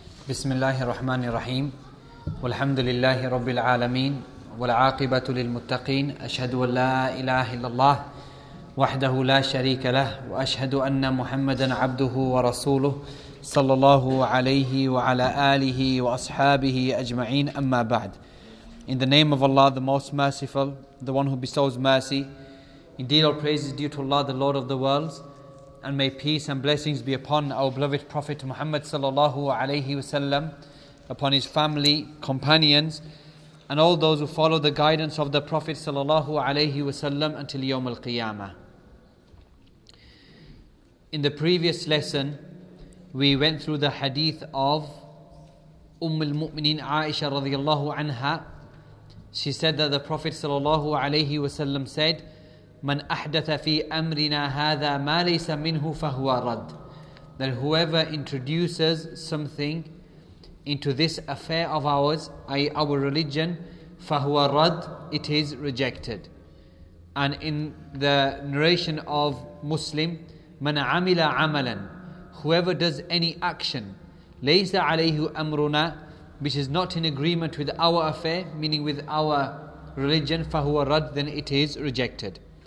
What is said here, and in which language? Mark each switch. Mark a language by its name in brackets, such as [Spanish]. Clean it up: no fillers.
[Arabic] بسم الله الرحمن الرحيم والحمد لله رب العالمين والعاقبة للمتقين أشهد أن لا إله إلا الله وحده لا شريك له وأشهد أن محمدا عبده ورسوله صلى الله عليه وعلى آله وأصحابه أجمعين أما بعد. [English] In the name of Allah, the Most Merciful, the One who bestows mercy. Indeed, all praise is due to Allah, the Lord of the worlds. And may peace and blessings be upon our beloved Prophet Muhammad sallallahu alayhi wasallam, upon his family, companions, and all those who follow the guidance of the Prophet sallallahu alayhi wasallam until Yawm al-Qiyamah. In the previous lesson, we went through the hadith of al-Mu'minin Aisha radiyallahu anha. [Arabic] She said that the Prophet sallallahu alayhi wasallam said, مَنْ أَحْدَثَ فِي أَمْرِنَا هَذَا مَا لَيْسَ مِنْهُ فَهُوَ رَدْ. [English] That whoever introduces something into this affair of ours, i.e. our religion, [Arabic] فَهُوَ رَدْ, [English] it is rejected. And in the narration of Muslim, [Arabic] مَنْ عَمِلَ عَمَلًا, [English] whoever does any action, [Arabic] لَيْسَ عَلَيْهُ أَمْرُنَا, [English] which is not in agreement with our affair, meaning with our religion, [Arabic] فَهُوَ رَدْ, [English] then it is rejected.